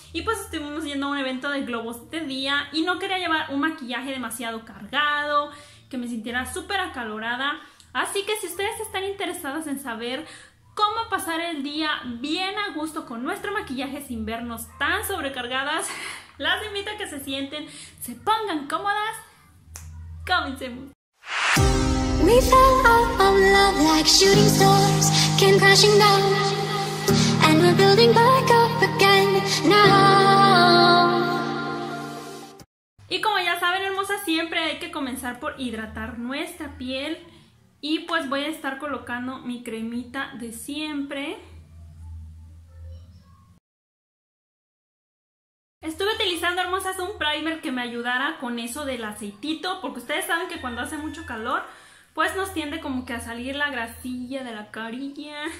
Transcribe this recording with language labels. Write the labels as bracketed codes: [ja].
[es] Y pues estuvimos yendo a un evento de globos este día y no quería llevar un maquillaje demasiado cargado, que me sintiera súper acalorada. Así que si ustedes están interesadas en saber cómo pasar el día bien a gusto con nuestro maquillaje sin vernos tan sobrecargadas, las invito a que se sienten, se pongan cómodas. ¡Comencemos! [en] We fell out of love like shooting stars came crashing down, and we're building back up again now. [es] Y como ya saben, hermosa, siempre hay que comenzar por hidratar nuestra piel. Y pues voy a estar colocando mi cremita de siempre. Estuve utilizando, hermosas, un primer que me ayudara con eso del aceitito, porque ustedes saben que cuando hace mucho calor, pues nos tiende como que a salir la grasilla de la carilla.